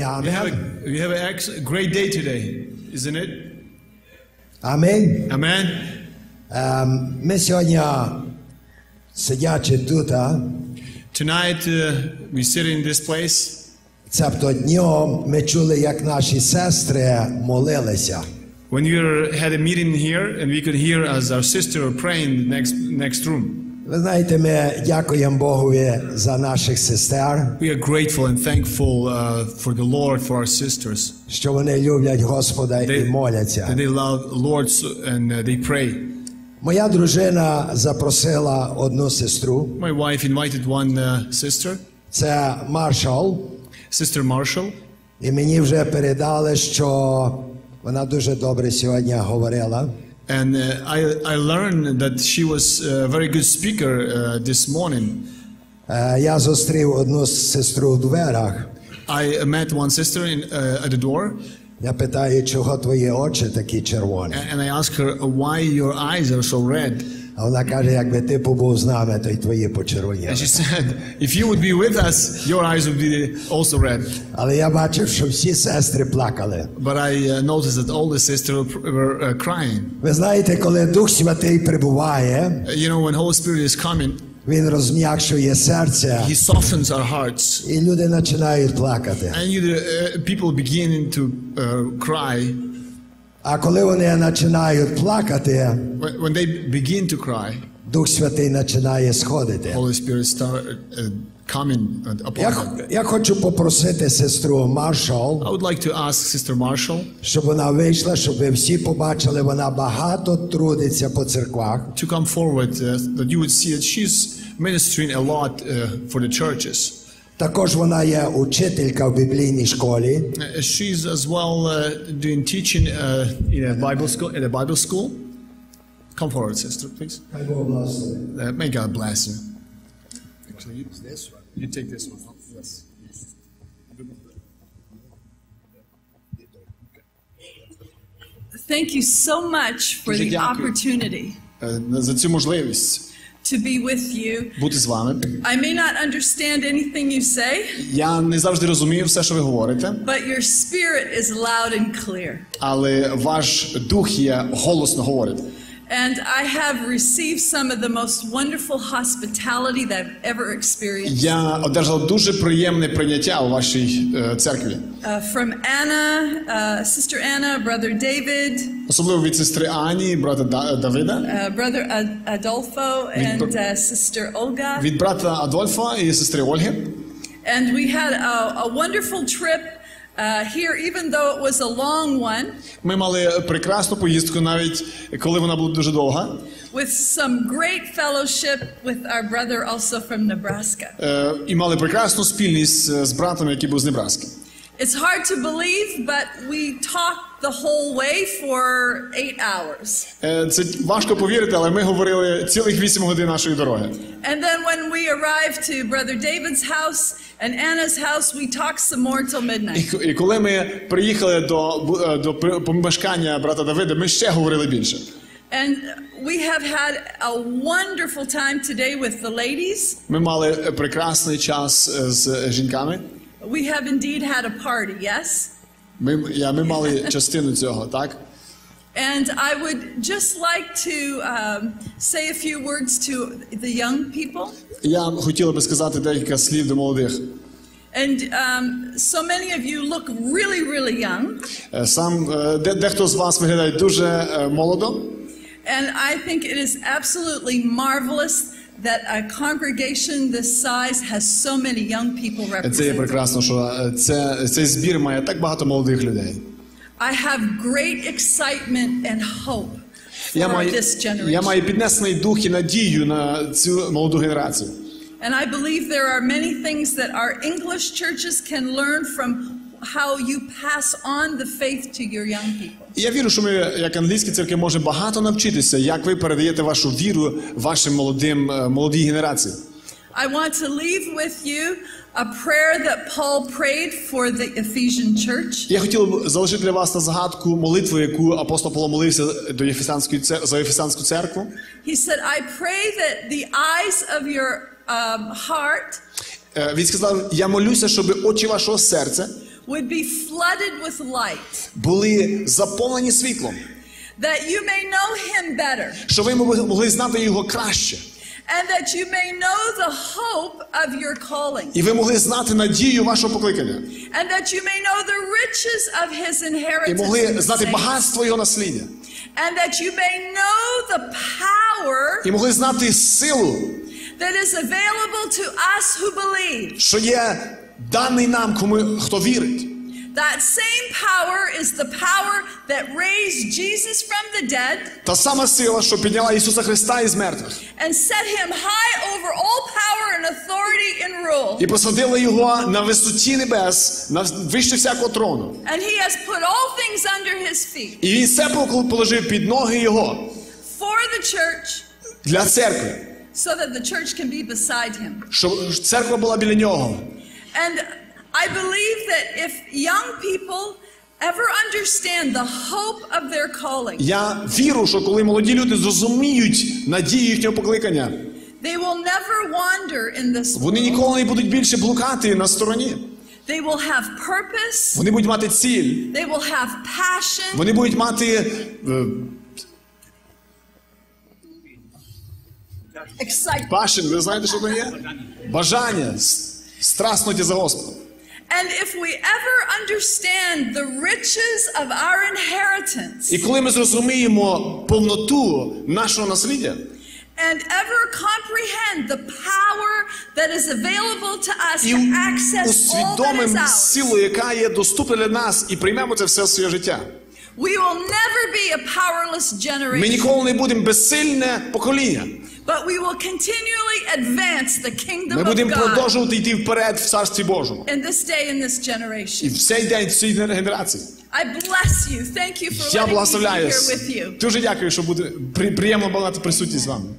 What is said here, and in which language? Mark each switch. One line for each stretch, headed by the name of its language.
English: We have a great day today, isn't it?
Ukrainian: Амен. Амен. Ми сьогодні сидячи тут, а?
English: Tonight we sit in this place.
Ukrainian: Цебто днем ми чули, як наші сестри молилися.
English: When we had a meeting here and we could hear as our sister praying in the next room.
Ukrainian: Ви знаєте, ми дякуємо Богу за наших сестер.
English: We are grateful and thankful for the Lord for our sisters.
Ukrainian: Що вони люблять Господа і моляться.
English: They love the Lord and they pray.
Ukrainian: Моя дружина запросила одну сестру.
English: My wife invited one sister.
Ukrainian: Це Маршал.
English: Sister Marshall.
Ukrainian: І мені вже передали, що вона дуже добре сьогодні говорила.
English: And I learned that she was a very good speaker this morning.
Ukrainian: Я зустрів одну сестру у дверях.
English: I met one sister at the door.
Ukrainian: Я питаю, чого твої очі такі червоні?
English: And I asked her, why your eyes are so red?
Ukrainian: А вона каже, якби ти побув з нами, то й твої почервоніли.
English: And she said, if you would be with us, your eyes would be also red.
Ukrainian: Але я бачив, що всі сестри плакали.
English: But I noticed that all the sisters were crying.
Ukrainian: Ви знаєте, коли Дух Святий прибуває,
English: you know, when Holy Spirit is coming,
Ukrainian: він розм'якшує серце.
English: He softens our hearts.
Ukrainian: І люди починають плакати.
English: And people begin to cry.
Ukrainian: А коли вони починають плакати,
English: when they begin to cry,
Ukrainian: Дух Святий починає сходити.
English: Holy Spirit start coming upon them.
Ukrainian: Я хочу попросити сестру Маршал.
English: I would like to ask Sister Marshall,
Ukrainian: щоб вона вийшла, щоб ви всі побачили, вона багато трудиться по церквах.
English: To come forward, that you would see that she's ministering a lot for the churches.
Ukrainian: Також вона є учителька в біблійній школі.
English: She's as well doing teaching in a Bible school. In a Bible school. Come forward, sister, please. May God bless you. May God bless you. Actually, you, this one. You take this one. Huh? Yes. Thank you so much for the opportunity.
Ukrainian: За цю можливість.
English: To be with you.
Ukrainian: Бути з вами.
English: I may not understand anything you say.
Ukrainian: Я не завжди розумію все, що ви говорите.
English: But your spirit is loud and clear.
Ukrainian: Але ваш дух є голосно говорить.
English: And I have received some of the most wonderful hospitality that I've ever experienced.
Ukrainian: Я одержав дуже приємне прийняття у вашій церкві.
English: From Anna, Sister Anna, Brother David.
Ukrainian: Особливо від сестри Ані, брата Давида.
English: Brother Adolfo and Sister Olga.
Ukrainian: Від брата Адольфа і сестри Ольги.
English: And we had a wonderful trip. Here, even though it was a long one,
Ukrainian: ми мали прекрасну поїздку, навіть коли вона була дуже довга.
English: With some great fellowship with our brother, also from Nebraska.
Ukrainian: І мали прекрасну спільність з братом, який був з Небраски.
English: It's hard to believe, but we talked the whole way for 8 hours.
Ukrainian: Це важко повірити, але ми говорили цілих 8 годин нашої дороги.
English: And then when we arrived to Brother David's house and Anna's house, we talked some more till midnight.
Ukrainian: І коли ми приїхали до помешкання брата Давида, ми ще говорили більше.
English: And we have had a wonderful time today with the ladies.
Ukrainian: Ми мали прекрасний час з жінками.
English: We have indeed had a party, yes?
Ukrainian: Ми мали частину цього, так?
English: And I would just like to say a few words to the young people.
Ukrainian: Я хотіла б сказати декілька слів до молодих.
English: And so many of you look really, really young.
Ukrainian: Сам дехто з вас виглядає дуже молодо.
English: And I think it is absolutely marvelous that a congregation this size has so many young people represented.
Ukrainian: Це є прекрасно, що цей збір має так багато молодих людей.
English: I have great excitement and hope for this generation.
Ukrainian: Я маю піднесений дух і надію на цю молоду генерацію.
English: And I believe there are many things that our English churches can learn from how you pass on the faith to your young people.
Ukrainian: Я вірю, що ми, як англійські церкви, можемо багато навчитися, як ви передаєте вашу віру вашим молодій генерації.
English: I want to leave with you a prayer that Paul prayed for the Ephesian church.
Ukrainian: Я хотів залишити для вас на згадку молитву, яку апостол Павло молився до Ефесянської за Ефесянську церкву.
English: He said, I pray that the eyes of your heart,
Ukrainian: він сказав, я молюся, щоб очі вашого серця
English: would be flooded with light.
Ukrainian: Були заповнені світлом.
English: that you may know him better.
Ukrainian: Що ви могли знати його краще.
English: And that you may know the hope of your calling.
Ukrainian: І ви могли знати надію вашого покликання.
English: And that you may know the riches of his inheritance.
Ukrainian: І могли знати багатство його наслідя.
English: And that you may know the power.
Ukrainian: І могли знати силу.
English: That is available to us who believe.
Ukrainian: Що є даний нам, кому хто вірить.
English: That same power is the power that raised Jesus from the dead.
Ukrainian: Та сама сила, що підняла Ісуса Христа із мертвих.
English: And set him high over all power and authority and rule.
Ukrainian: І посадила його на висоті небес, на вище всякого трону.
English: And he has put all things under his feet.
Ukrainian: І він все положив під ноги його.
English: For the church.
Ukrainian: Для церкви.
English: So that the church can be beside him.
Ukrainian: Щоб церква була біля нього.
English: And I believe that if young people ever understand the hope of their calling.
Ukrainian: Я вірю, що коли молоді люди зрозуміють надію їхнього покликання.
English: They will never wander in this world.
Ukrainian: Вони ніколи не будуть більше блукати на стороні.
English: They will have purpose.
Ukrainian: Вони будуть мати ціль.
English: They will have passion.
Ukrainian: Вони будуть мати
English: excitement.
Ukrainian: Passion, ви знаєте, що це є? Бажання, страснути за Господом.
English: And if we ever understand the riches of our inheritance.
Ukrainian: І коли ми зрозуміємо повноту нашого наслідя.
English: And ever comprehend the power that is available to us to access all that is ours.
Ukrainian: І усвідомимо силу, яка є доступна для нас, і приймемо це все в своє життя.
English: We will never be a powerless generation.
Ukrainian: Ми ніколи не будемо безсильне покоління.
English: But we will continually advance the kingdom of God.
Ukrainian: Ми будемо продовжувати йти вперед в царстві Божому.
English: In this day, in this generation.
Ukrainian: І в цей день, в цій генерації.
English: I bless you. Thank you for letting me be here with you.
Ukrainian: Дуже дякую, що буде приємно бути присутні з вами.